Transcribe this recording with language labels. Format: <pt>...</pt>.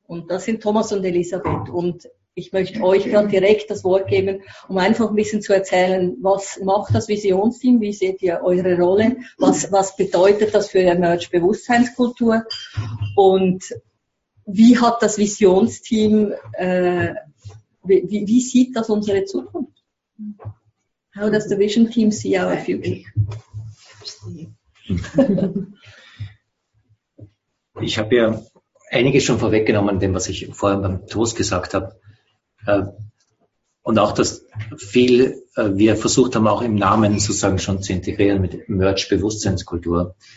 <de>Und das sind Thomas und Elisabeth. Und ich möchte euch gerade direkt das Wort geben, um einfach ein bisschen zu erzählen, was macht das Visionsteam, wie seht ihr eure Rolle, was bedeutet das für Emerge Bewusstseinskultur und wie hat das Visionsteam, wie sieht das unsere Zukunft?</de> <en>How does the vision team see our future?</en> <de>Ich habe ja einiges schon vorweggenommen, dem, was ich vorhin beim Toast gesagt habe. Und auch, dass viel wir versucht haben, auch im Namen sozusagen schon zu integrieren mit Merch-Bewusstseinskultur.</de>